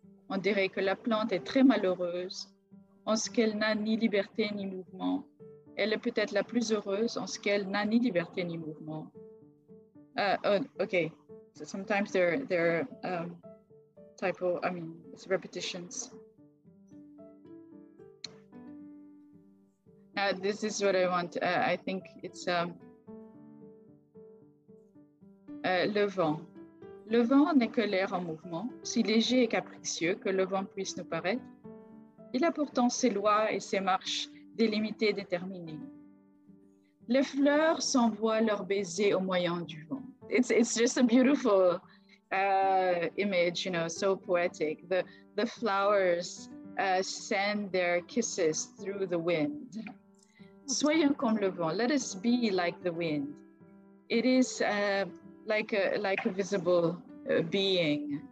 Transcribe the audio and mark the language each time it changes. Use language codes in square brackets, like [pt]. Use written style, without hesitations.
[fr] On dirait que la plante est très malheureuse en ce qu'elle n'a ni liberté ni mouvement. Elle est peut-être la plus heureuse en ce qu'elle n'a ni liberté ni mouvement. [en] Okay, so sometimes there are typo, I mean, it's repetitions. This is what I want. I think it's [fr] le vent. Le vent n'est que l'air en mouvement, si léger et capricieux que le vent puisse nous paraître. Il a pourtant ses lois et ses marches délimitées et déterminées. Les fleurs s'envoient leurs baisers au moyen du vent. [en] It's just a beautiful image, you know, so poetic. The flowers send their kisses through the wind. [fr] Soyons comme le vent. [en] Let us be like the wind. It is like a visible being.